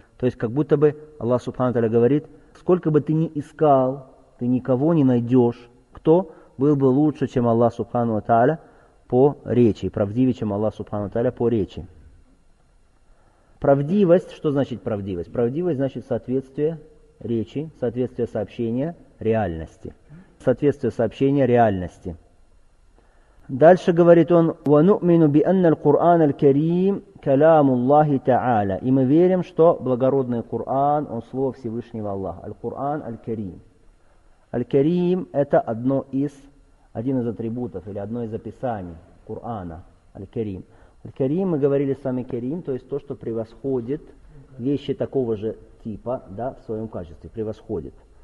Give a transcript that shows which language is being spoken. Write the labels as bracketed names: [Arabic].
[Russian] То есть как будто бы Аллах Субхану ва Тааля говорит: сколько бы ты ни искал, ты никого не найдешь, кто был бы лучше, чем Аллах Субхану ва Тааля по речи, правдивее, чем Аллах Субхану ва Тааля по речи. Правдивость, что значит правдивость? Правдивость значит соответствие речи, соответствие сообщения реальности. Соответствие сообщения реальности. Дальше говорит он: [Arabic] وَنُؤْمِنُ بِأَنَّ الْقُرْآنَ الْكَرِيمِ كَلَامُ اللَّهِ تَعَالَى. [Russian] И мы верим, что благородный Коран, он слово Всевышнего Аллаха. Аль-Коран, Аль-Карим. Аль-Карим – это один из атрибутов или одно из описаний Корана, Аль-Карим. Аль-Карим, мы говорили с вами, Карим, то есть то, что превосходит вещи такого же типа, да, в своем качестве, превосходит.